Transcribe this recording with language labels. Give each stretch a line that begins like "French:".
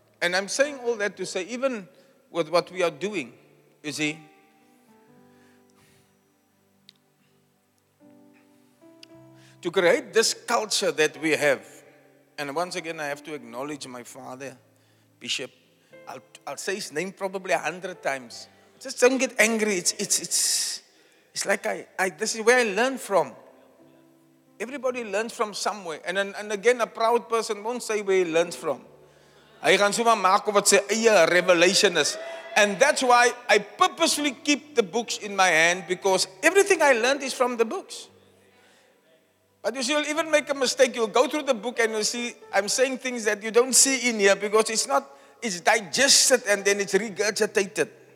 English: And I'm saying all that to say, even with what we are doing, you see, to create this culture that we have, and once again, I have to acknowledge my father, Bishop. I'll say his name probably 100 times. Just don't get angry. It's like I this is where I learned from. Everybody learns from somewhere. And again, a proud person won't say where he learns from.
Afrikaans: Hy gaan sommer maak of wat sy eie revelation is.
English: And that's why I purposely keep the books in my hand, because everything I learned is from the books. But you see, you'll even make a mistake. You'll go through the book and you'll see I'm saying things that you don't see in here, because it's digested and then it's regurgitated.